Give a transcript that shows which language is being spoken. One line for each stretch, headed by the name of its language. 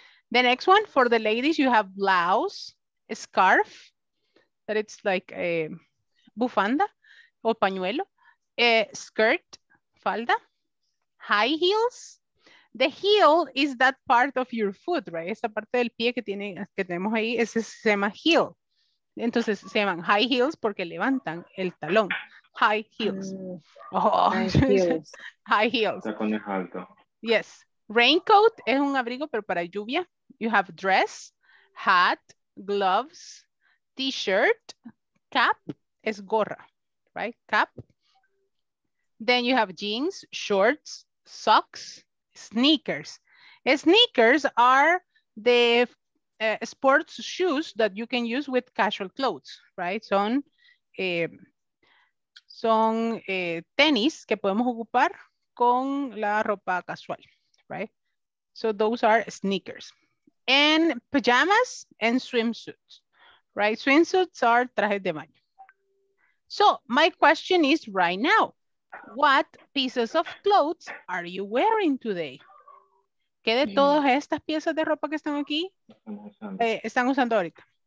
English: The next one for the ladies, you have blouse, a scarf, that it's like a
Spanish: bufanda o pañuelo,
English: a skirt, falda, high heels. The heel is that part of your foot, right?
Spanish: Esa parte del pie que tiene, que tenemos ahí, ese se llama heel. Entonces se llaman high heels porque levantan el talón. High heels.
English: High heels.
Spanish: Tacones alto.
English: Yes. Raincoat
Spanish: es un abrigo, pero para lluvia.
English: You have dress, hat, gloves, t-shirt, cap,
Spanish: es gorra,
English: right? Cap. Then you have jeans, shorts, socks, sneakers. Sneakers are the sports shoes that you can use with casual clothes, right?
Spanish: Son, tenis que podemos ocupar con la ropa casual, right?
English: So those are sneakers. And pajamas and swimsuits, right? Swimsuits are
Spanish: trajes de baño.
English: So my question is right now, what pieces of clothes are you wearing today?
Spanish: ¿Qué de todas estas piezas de ropa que están aquí están usando ahorita?